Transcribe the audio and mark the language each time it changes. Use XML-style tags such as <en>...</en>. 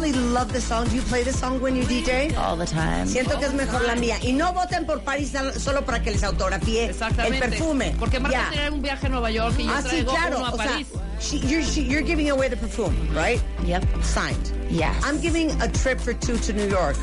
<en>Love the song. Do you play the song when you DJ? All the time.</en> <es>Siento que es mejor la mía. Y no voten por Paris solo para que les autografíe el perfume. Porque Marta tiene un viaje a Nueva York y yo traigo uno a París.</es> <en>You're giving away the perfume, right? Yep. Signed. Yes. I'm giving a trip for two to New York.</en>